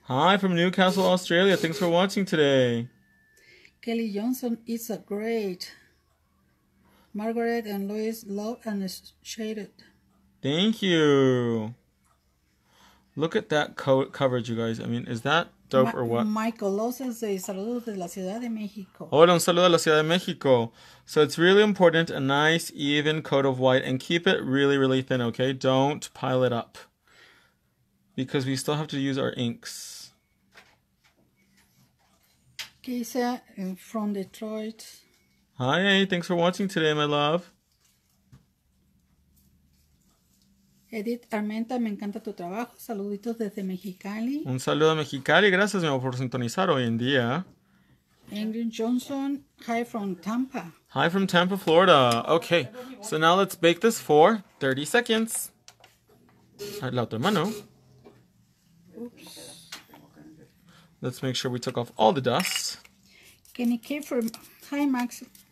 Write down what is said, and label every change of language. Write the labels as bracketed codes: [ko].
[en] Hi, from Newcastle, Australia. Thanks for watching today. Kelly Johnson is a great. Margaret and Louis love and shaded. Thank you. Look at that coverage, you guys. I mean, is that dope or what? [es] Michael Lozano says, saludos de la Ciudad de México. Hola, un saludo de la Ciudad de México. [en] So it's really important, a nice, even coat of white, and keep it really, really thin, okay? Don't pile it up, because we still have to use our inks. Keisha from Detroit. Hi, thanks for watching today, my love. [es] Edith Armenta, me encanta tu trabajo. Saluditos desde Mexicali. Un saludo a Mexicali. Gracias, mi amor, por sintonizar hoy en día. [en] Ingrid Johnson, hi from Tampa. Hi from Tampa, Florida. Okay, so now let's bake this for 30 seconds. [es] La otra mano. [en] Oops. Let's make sure we took off all the dust. Kenny Kiefer, hi Max.